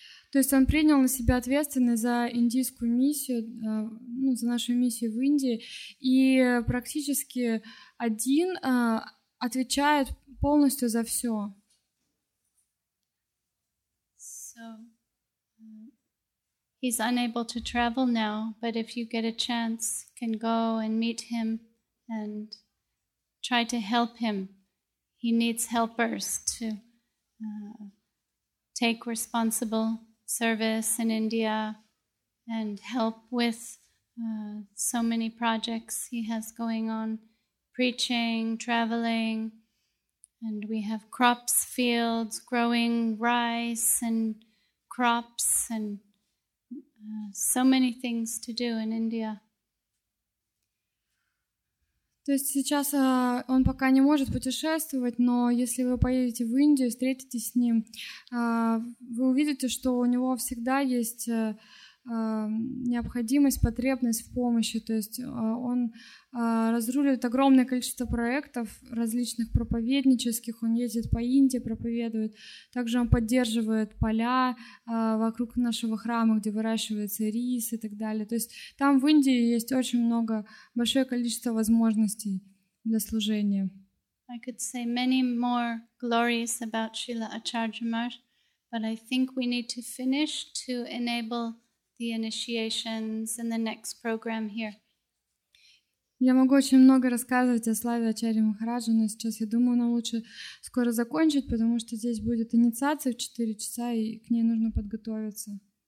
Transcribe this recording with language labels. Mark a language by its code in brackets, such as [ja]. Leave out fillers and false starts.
[ru] То есть он принял на себя ответственность за индийскую миссию, ну, за нашу миссию в Индии, и практически один отвечает полностью за все. [en] So, he's unable to travel now, but if you get a chance, can go and meet him and try to help him. He needs helpers to take responsible service in India and help with so many projects he has going on, preaching, traveling, and we have crops, fields, growing rice and crops and so many things to do in India. [ru] То есть сейчас он пока не может путешествовать, но если вы поедете в Индию и встретитесь с ним, вы увидите, что у него всегда есть необходимость, потребность в помощи. То есть он разруливает огромное количество проектов различных проповеднических. Он ездит по Индии, проповедует. Также он поддерживает поля вокруг нашего храма, где выращивается рис и так далее. То есть там в Индии есть очень много, большое количество возможностей для служения. [en] I could say many more glories about Srila Acharya Mahārāja, but I think we need to finish to enable the initiations and the next program here. [ru] Я могу очень много рассказывать о славе Ачарьи Махараджа, но сейчас я думаю, нам лучше скоро закончить, потому что здесь будет инициация в 4 часа, и к ней нужно подготовиться.